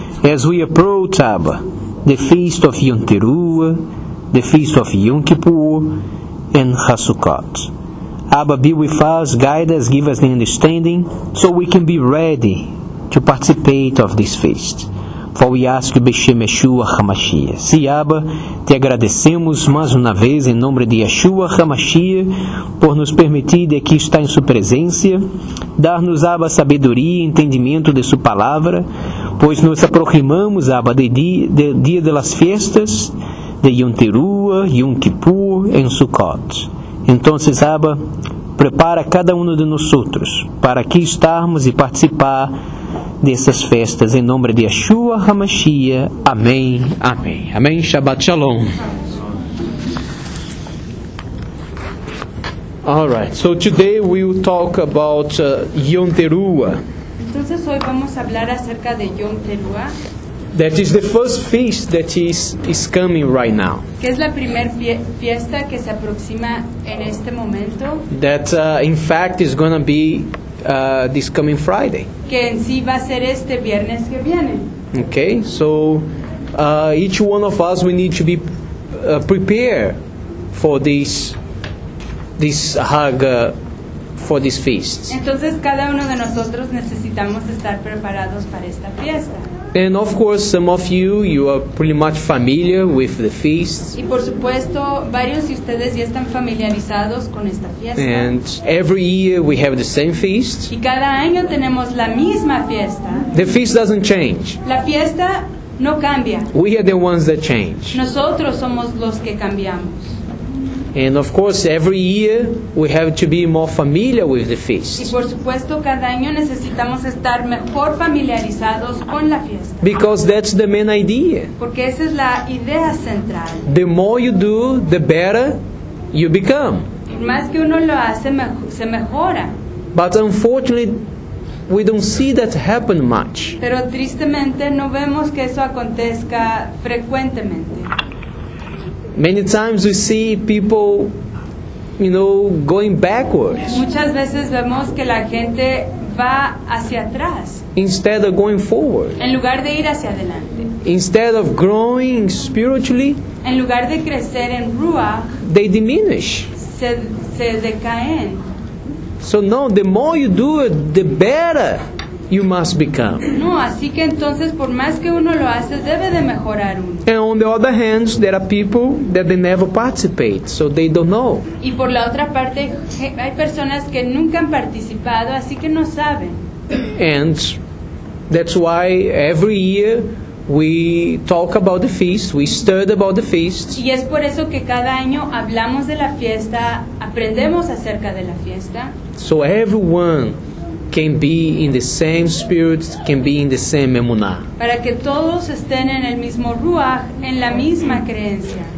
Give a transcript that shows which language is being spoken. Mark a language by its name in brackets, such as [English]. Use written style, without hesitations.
[English] As we approach, Abba, the feast of Yom Teruah, the feast of Yom Kippur, and Hasukot. Abba, be with us, guide us, give us the understanding, so we can be ready to participate of this feast. For we ask you, [Hebrew] Beshem Yeshua HaMashiach. [Portuguese] Si Abba, te agradecemos mais uma vez em nome de Yeshua HaMashiach por nos permitir de aqui estar em sua presença, dar-nos, Abba, sabedoria e entendimento de sua palavra, pois nos aproximamos, Abba, de dia das festas de Yom Teruah, Yom Kippur e Sukkot. Então, Abba, prepara cada um de nós para aqui estarmos e participar dessas festas, em nome de Yeshua HaMashiach. Amém, amém. Amém, Shabbat Shalom. [English] All right, so today we will talk about Yom Teruah. [Spanish] Entonces hoy vamos a hablar acerca de Yom Teruah. [English] That is the first feast that is coming right now. [Spanish] Que es la primer fiesta que se aproxima en este momento. [English] That in fact is going to be this coming Friday. [Spanish] Que en sí va a ser este viernes que viene. [English] Okay, so each one of us, we need to be prepared for this Hag, for this feast. [Spanish] Entonces, cada uno de nosotros necesitamos estar preparados para esta fiesta. [English] And of course, some of you are pretty much familiar with the feast. [Spanish] Y por supuesto, varios de ustedes ya están familiarizados con esta fiesta. [English] And every year we have the same feast. [Spanish] Y cada año tenemos la misma fiesta. [English] The feast doesn't change. [Spanish] La fiesta no cambia. [English] We are the ones that change. [Spanish] Nosotros somos los que cambiamos. [English] And of course, every year we have to be more familiar with the feast. [Spanish] Y por supuesto, cada año necesitamos estar mejor familiarizados con la fiesta. [English] Because that's the main idea. [Spanish] Porque esa es la idea central. [English] The more you do, the better you become. [Spanish] Más que uno lo hace, se mejora. [English] But unfortunately, we don't see that happen much. [Spanish] Pero tristemente, no vemos que eso acontezca frecuentemente. [English] Many times we see people, you know, going backwards. [Spanish] Muchas veces vemos que la gente va hacia atrás. [English] Instead of going forward. [Spanish] En lugar de ir hacia adelante. [English] Instead of growing spiritually. [Spanish] En lugar de crecer en ruach. [English] They diminish. [Spanish] Se decaen. [English] So no, the more you do it, the better you must become. [Spanish] No, así que entonces, por más que uno lo hace, debe de mejorar uno. [English] And on the other hand, there are people that they never participate, so they don't know. [Spanish] Y por la otra parte, hay personas que nunca han participado, así que no saben. [English] And that's why every year we talk about the feast, we study about the feast. [Spanish] Y es por eso que cada año hablamos de la fiesta, aprendemos acerca de la fiesta. [English] So everyone can be in the same spirit, can be in the same emunah. [Spanish] Para que todos estén en el mismo ruach, en la misma creencia.